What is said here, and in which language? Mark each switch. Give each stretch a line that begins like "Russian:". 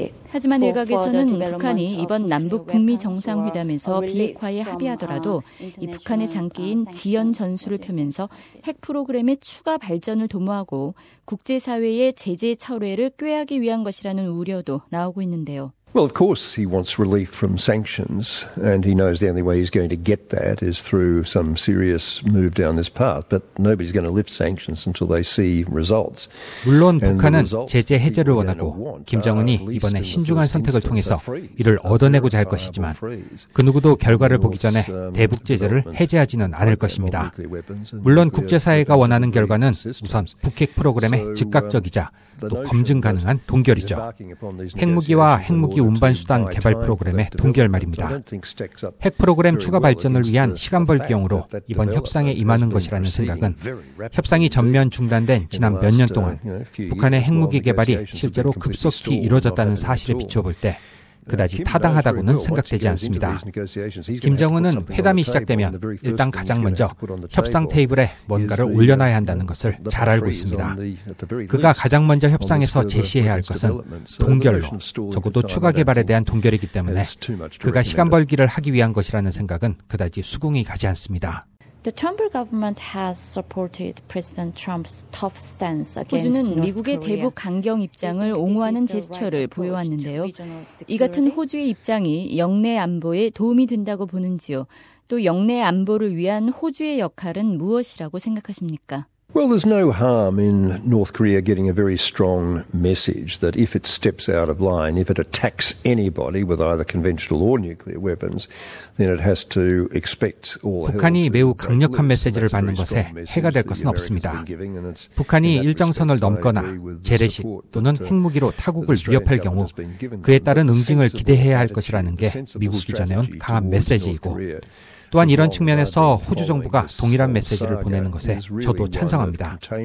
Korean: 하지만 일각에서는 북한이 이번 남북 북미 정상회담에서 비핵화에 합의하더라도 이 북한의 장기인 지연 전술을 펴면서 핵 프로그램의 추가 발전을 도모하고 국제사회의 제재 철회를 꾀하기 위한 것이라는 우려도 나오고 있는데요.
English: Well, of course, he wants relief from sanctions, and he knows the only way he's going to get that is through some serious move down this path. But nobody's going to lift sanctions until they see results.
Korean: 물론 북한은 제재 해제를 원하고 김정은이 이번에 신중한 선택을 통해서 이를 얻어내고자 할 것이지만 그 누구도 결과를 보기 전에 대북 제재를 해제하지는 않을 것입니다. 물론 국제사회가 원하는 결과는 우선 북핵 프로그램의 즉각적이자 또 검증 가능한 동결이죠. 핵무기와 핵무기 운반 수단 개발 프로그램의 동결 말입니다. 핵 프로그램 추가 발전을 위한 시간 벌기용으로 이번 협상에 임하는 것이라는 생각은 협상이 전면 중단된 지난 몇 년 동안 북한의 핵무기 개발이 실제로 급속히 이루어졌다는 사실에 비추어 볼 때 그다지 타당하다고는 생각되지 않습니다. 김정은은 회담이 시작되면 일단 가장 먼저 협상 테이블에 뭔가를 올려놔야 한다는 것을 잘 알고 있습니다. 그가 가장 먼저 협상에서 제시해야 할 것은 동결로, 적어도 추가 개발에 대한 동결이기 때문에 그가 시간 벌기를 하기 위한 것이라는 생각은 그다지 수긍이 가지 않습니다.
English: The Trump government has supported President Trump's tough stance against North
Korean: 호주는 미국의 대북 강경 입장을 옹호하는 제스처를 보여왔는데요. 이 같은 호주의 입장이 영내 안보에 도움이 된다고 보는지요? 또 영내 안보를 위한 호주의 역할은 무엇이라고 생각하십니까?
English: Well, there's no harm in North Korea getting a very strong message that if it steps out of line, if it attacks anybody with either conventional or nuclear weapons, then it has to expect all.
Korean: 북한이 매우 강력한 메시지를 받는 것에 해가 될 것은 없습니다. 북한이 일정선을 넘거나 재래식 또는 핵무기로 타국을 위협할 경우 그에 따른 응징을 기대해야 할 것이라는 게 미국이 전해온 강한 메시지이고. 또한 이런 측면에서 호주 정부가 동일한 메시지를 보내는 것에 저도 찬성합니다.